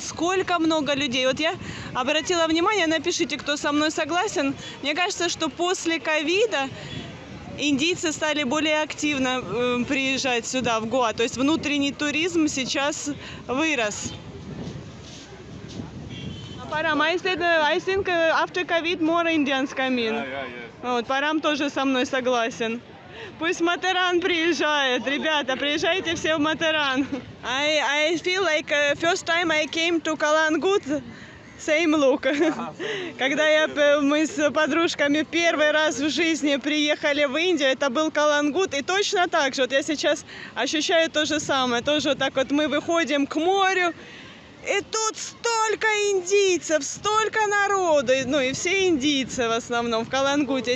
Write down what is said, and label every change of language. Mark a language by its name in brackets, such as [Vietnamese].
[Russian] Сколько много людей. Вот я обратила внимание, напишите, кто со мной согласен. Мне кажется, что после ковида индийцы стали более активно приезжать сюда, в Гоа. То есть внутренний туризм сейчас вырос. [English] Парам, I think after COVID more Indians come in. Yeah. [Russian] Вот, Парам тоже со мной согласен. Пусть Матеран приезжает. Ребята, приезжайте все в Матеран. [English] I feel like first time I came to Kalangut. Same look. [Russian] Когда мы с подружками первый раз в жизни приехали в Индию, это был Калангут, и точно так же, вот я сейчас ощущаю то же самое, тоже вот так вот мы выходим к морю, и тут столько индийцев, столько народу, ну и все индийцы в основном в Калангуте.